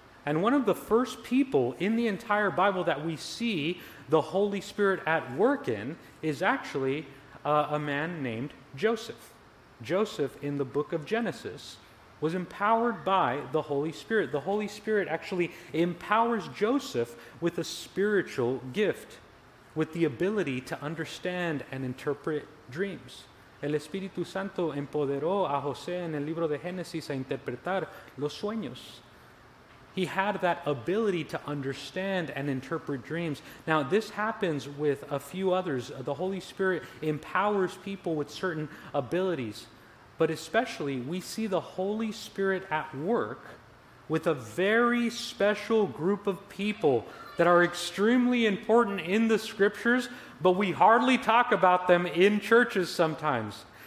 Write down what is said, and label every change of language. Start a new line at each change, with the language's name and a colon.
English: And one of the first people in the entire Bible that we see the Holy Spirit at work in is actually a man named Joseph. Joseph, in the book of Genesis, was empowered by the Holy Spirit. The Holy Spirit actually empowers Joseph with a spiritual gift, with the ability to understand and interpret dreams.
Spanish: El Espíritu Santo empoderó a José en el libro de Génesis a interpretar los sueños.
English: He had that ability to understand and interpret dreams. Now, this happens with a few others. The Holy Spirit empowers people with certain abilities. But especially, we see the Holy Spirit at work with a very special group of people that are extremely important in the scriptures, but we hardly talk about them in churches sometimes.